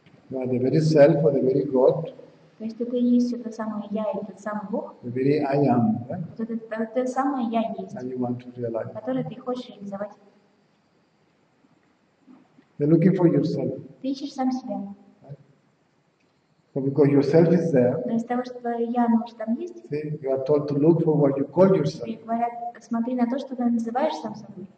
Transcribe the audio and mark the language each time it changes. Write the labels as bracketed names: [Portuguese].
[English] You are the very self or the very God. [Russian] То есть ты есть это самое я и тот самый Бог. [English] The very I am. [Russian] Вот это самое я есть. [English] And you want to realize. [Russian] Которое ты хочешь реализовать. [English] You're looking for yourself. [Russian] Ты ищешь сам себя. [English] But because yourself is there. [Russian] Но из-за того, что я, может, там есть. [English] See, you are told to look for what you call yourself. [Russian] И говорят, смотри на то, что ты называешь сам собой.